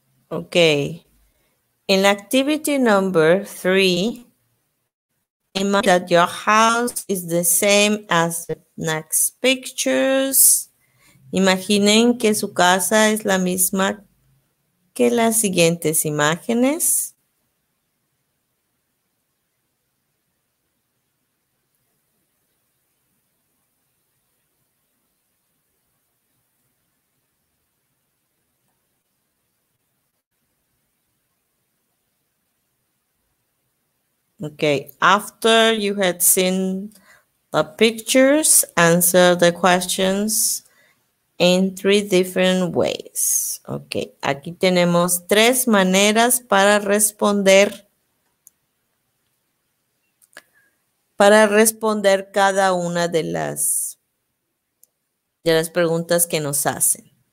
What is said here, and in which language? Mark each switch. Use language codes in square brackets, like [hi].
[en] Ok, in activity number 3, imagine that your house is the same as the next pictures. [es] Imaginen que su casa es la misma que las siguientes imágenes. [en] Okay, after you had seen the pictures, answer the questions in three different ways. [es] Okay, aquí tenemos tres maneras para responder cada una de las preguntas que nos hacen.